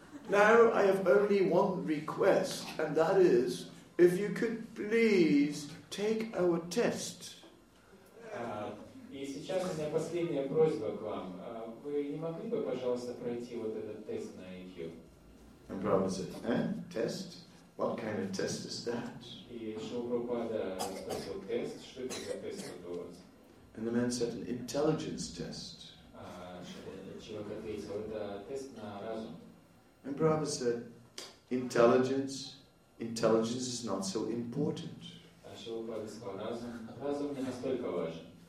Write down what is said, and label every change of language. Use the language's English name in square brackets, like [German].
[English] Now I have only one request, and that is, if you could please take our test. [Russian] И сейчас у меня последняя просьба к вам. Вы не могли бы, пожалуйста, пройти вот этот тест на IQ? [English] And Prabhupada said, test? What kind of test is that? [Russian] И Шрила Прабхупада спросил, тест? Что это за тест у вас? [English] And the man said, an intelligence test. [Russian] Человек ответил, это тест на разум. [English] And Prabhupada said, intelligence is not so important. [Russian] А Шрила Прабхупада сказал, разум не настолько важен.